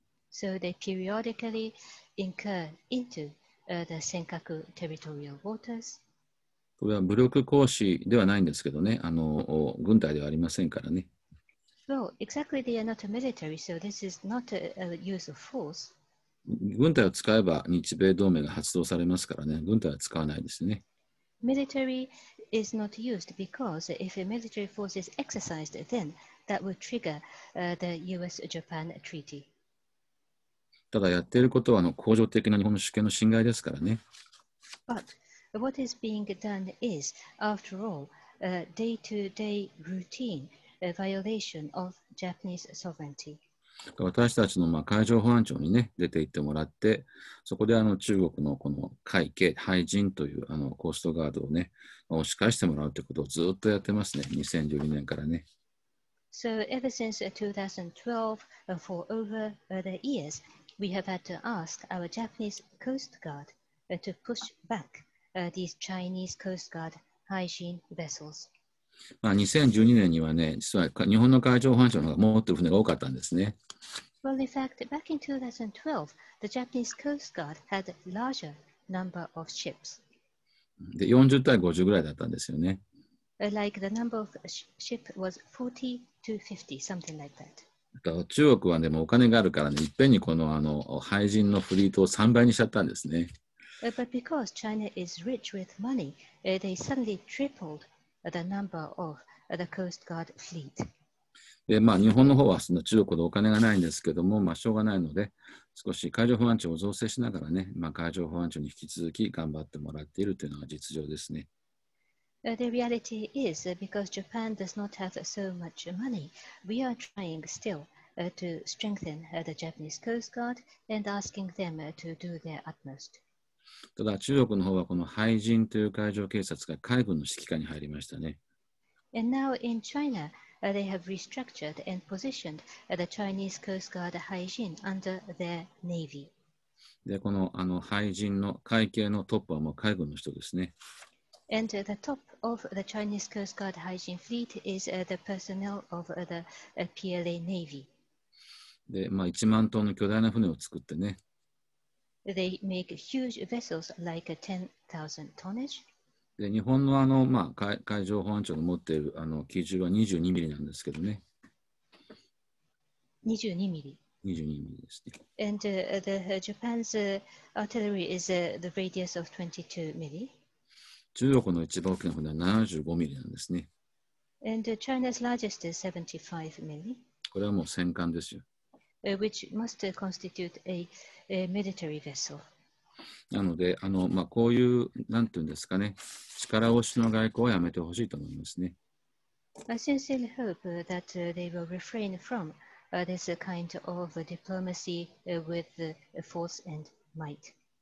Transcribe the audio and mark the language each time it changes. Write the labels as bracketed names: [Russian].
[English] So they periodically incur into the 尖閣 territorial waters. [Japanese] これは武力行使ではないんですけどね、軍隊ではありませんからね。 [English] Well, exactly they are not a military, so this is not a use of force. [Japanese] 軍隊を使えば日米同盟が発動されますからね、軍隊は使わないですね。 [English] Militaryis not used because if a military force is exercised, then that would trigger the US-Japan treaty. [Japanese] ただやっていることは恒常的な日本の主権の侵害ですからね。 [English] But what is being done is, after all, a day-to-day routine violation of Japanese sovereignty. [Japanese] 私たちの海上保安庁にね、出て行ってもらって、そこで中国のこの海警、海人というコーストガードをね、押し返してもらうということをずっとやってますね、2012年からね。 [English] So ever since 2012, for over the years, we have had to ask our Japanese Coast Guard to push back these Chinese Coast Guard 海人 vessels. [Japanese] まあ、2012年にはね、実は日本の海上保安庁の方が持ってる船が多かったんですね。 [English] Well, in fact, back in 2012, the Japanese Coast Guard had a larger number of ships. [Japanese] で、40対50ぐらいだったんですよね。 [English] Like the number of ship was 40 to 50, something like that. [Japanese] 中国はでもお金があるからね、いっぺんにこの海人のフリートを3倍にしちゃったんですね。 [English] But because China is rich with money, they suddenly tripledthe number of the Coast Guard fleet. [Japanese] で、まあ、日本の方はその中国でお金がないんですけども、まあ、しょうがないので、少し海上保安庁を造成しながらね、まあ、海上保安庁に引き続き頑張ってもらっているというのが実情ですね。 [English] The reality is, because Japan does not have so much money, we are trying still to strengthen the Japanese Coast Guard and asking them to do their utmost. [Japanese] ただ中国の方はこの海人という海上警察が海軍の指揮下に入りましたね。 [English] And now in China, they have restructured and positioned the Chinese Coast Guard 海人 under their navy. [Japanese] で、この海人の海警のトップはもう海軍の人ですね。 [English] And the top of the Chinese Coast Guard 海人 fleet is the personnel of the PLA Navy. [Japanese] で、まあ、1万トンの巨大な船を作ってね。 [English] They make huge vessels like 10,000 tonnage. [Japanese] で、日本の まあ、海上保安庁が持っている機銃は22ミリなんですけどね。 22ミリですね。 [English] And Japan's artillery is the radius of 22 mm. [Japanese] 中国の一番大きな船は75ミリなんですね。 [English] And China's largest is 75 mm. [Japanese] これはもう戦艦ですよ。 [English] Which must constitute a military vessel. [Japanese] なので、まあ、こういう、なんていうんですかね、力押しの外交はやめてほしいと思いますね。 [English] I sincerely hope that they will refrain from this kind of diplomacy with force and might.